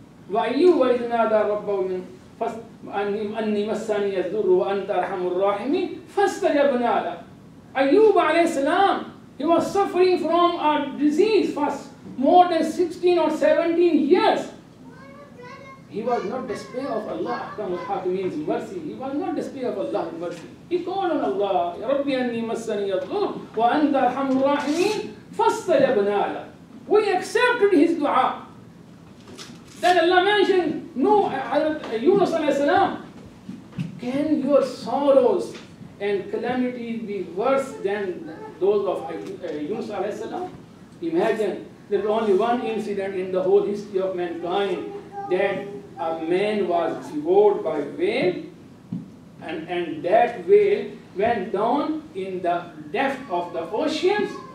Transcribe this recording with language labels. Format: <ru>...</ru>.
<ar>وَأَيُّوَ إِذْ نَادَى رَبَّهُ مِنْ أَنِّي مَسَّنِيَ الضُّرُّ وَأَنْتَ أَرْحَمُ الرَّاحِمِينَ فَاسْتَجَبْنَا لَهُ.</ar> <en>أيوب عليه السلام, he was suffering from a disease for more than 16 or 17 years. He was not despair of Allah, Ahkamul Hakimin's mercy. He was not despair of Allah's mercy. He called on Allah,</en> <ar>رَبِّي أَنِّي مَسَّنِيَ الضُّرُّ وَأَنْتَ أَرْحَمُ الرَّاحِمِينَ فَاسْتَجَبْنَا لَهُ.</ar> <en>We accepted his dua. Then Allah mentioned, Nuh, Yunus alayhi salam, can your sorrows and calamities be worse than those of Yunus alayhi salam? Imagine, there was only one incident in the whole history of mankind that a man was devoured by whale, and that whale went down in the depth of the oceans.</en>